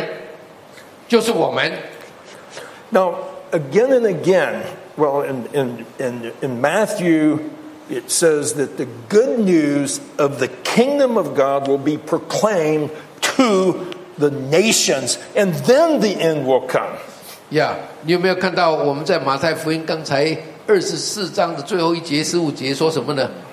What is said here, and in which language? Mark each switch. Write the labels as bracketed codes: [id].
[zh] 第二个教就是外邦人，就是我们。 [en] Now, again and again, well, in Matthew, it says that the good news of the kingdom of God will be proclaimed to the nations, and then the end will come. [zh] Yeah, 你有没有看到我们在马太福音刚才24章的最后一节15节说什么呢？